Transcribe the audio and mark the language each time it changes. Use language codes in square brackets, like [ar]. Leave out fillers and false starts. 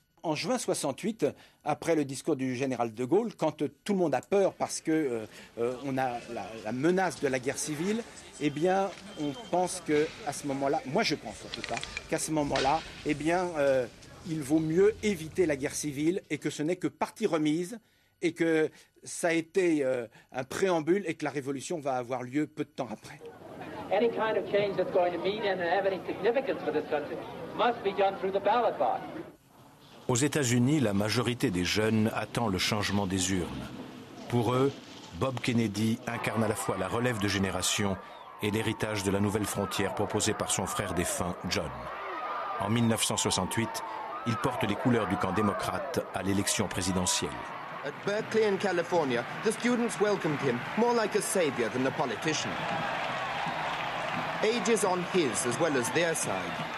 [fr] En juin 68, après le discours du général de Gaulle, quand tout le monde a peur parce que on a la menace de la guerre civile, eh bien, on pense que à ce moment-là, moi je pense en tout cas, qu'à ce moment-là, eh bien, il vaut mieux éviter la guerre civile et que ce n'est que partie remise et que ça a été un préambule et que la révolution va avoir lieu peu de temps après. [en] Any kind of change that's going to mean and have any significance for this country must be done through the ballot box. [fr] Aux États-Unis, la majorité des jeunes attend le changement des urnes. Pour eux, Bob Kennedy incarne à la fois la relève de génération et l'héritage de la nouvelle frontière proposée par son frère défunt, John. En 1968, il porte les couleurs du camp démocrate à l'élection présidentielle. À Berkeley, en Californie, les étudiants l'accueillent plus comme like un savior que un politicien. Age est sur son, as well as their side.